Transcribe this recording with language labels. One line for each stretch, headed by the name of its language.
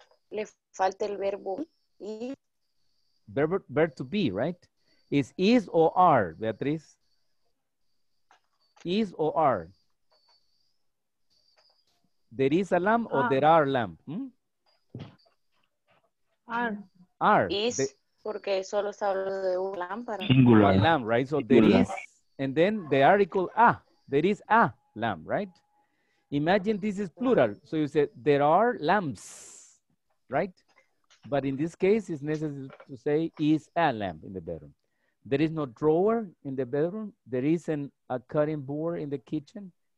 Spanish: Le falta el verbo
English: ir. Verb to be, right? Is or are, Beatriz? Is or are? There is a lamp or there are lamp? Are.
Spanish: Is, porque solo está hablando de un lámpara.
English: Singular. A lamp, right? So there is, and then the article a. There is a lamp, right? Imagine this is plural. So you say there are lamps, right? But in this case, it's necessary to say is a lamp in the bedroom. There is no drawer in the bedroom. There isn't a cutting board in the kitchen.